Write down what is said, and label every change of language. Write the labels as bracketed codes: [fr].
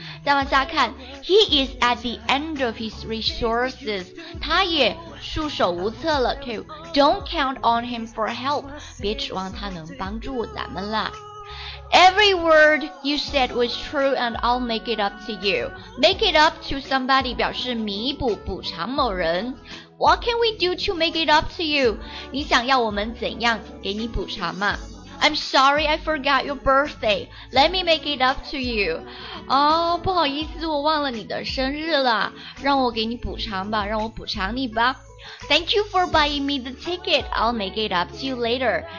[zh] 再往下看， [en] He is at the end of his resources. [zh] 他也束手无策了。 [en] Two, Don't count on him for help. [zh] 别指望他能帮助咱们了。 [en] Every word you said was true and I'll make it up to you. Make it up to somebody [zh] 表示弥补、补偿某人。 [en] What can we do to make it up to you? [zh] 你想要我们怎样给你补偿吗？ [en] I'm sorry I forgot your birthday. Let me make it up to you. [zh] 哦，不好意思，我忘了你的生日了。让我给你补偿吧，让我补偿你吧。 [en] Thank you for buying me the ticket. I'll make it up to you later.